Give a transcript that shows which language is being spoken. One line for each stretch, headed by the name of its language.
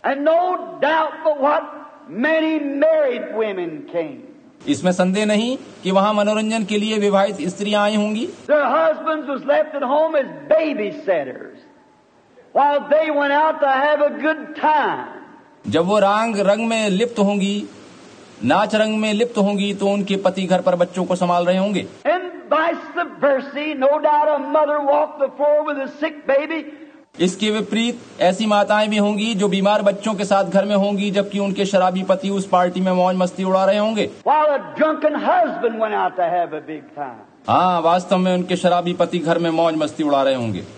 English: And no doubt but what many married women came.
Hindi: इसमें संदेह नहीं कि वहां मनोरंजन के लिए विवाहित स्त्रियां आई होंगी.
English: Their husbands was left at home as babysitters while they went out to have a good time.
Hindi: जब वो रंग रंग में लिप्त होंगी नाच रंग में लिप्त होंगी तो उनके पति घर पर बच्चों को संभाल रहे होंगे.
English: Vice versa, no doubt a mother walked the floor with a sick baby.
Hindi: इसके विपरीत ऐसी माताएं भी होंगी जो बीमार बच्चों के साथ घर में होंगी जबकि उनके शराबी पति उस पार्टी में मौज मस्ती उड़ा रहे होंगे.
English: While a drunken husband went out to have a big time.
Hindi: हाँ वास्तव में उनके शराबी पति घर में मौज मस्ती उड़ा रहे होंगे.